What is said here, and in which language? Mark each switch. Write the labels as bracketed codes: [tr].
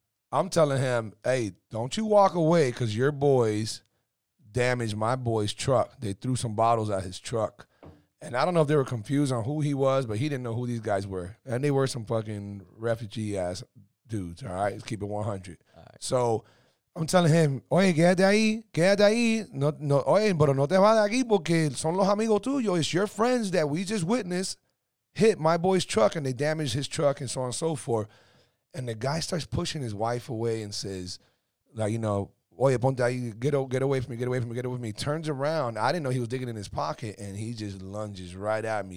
[en] I'm telling him, hey, don't you walk away because your boys damaged my boy's truck. They threw some bottles at his truck. And I don't know if they were confused on who he was, but he didn't know who these guys were. And they were some fucking refugee-ass dudes, all right? Let's keep it 100. All right. So I'm telling him, [es] oye, quédate ahí, no, no, oye, pero no te vas de aquí porque son los amigos tuyos. [en] It's your friends that we just witnessed hit my boy's truck and they damaged his truck and so on and so forth. And the guy starts pushing his wife away and says, like, you know, [es] oye, ponte ahí, [en] get away from me. Turns around. I didn't know he was digging in his pocket and he just lunges right at me.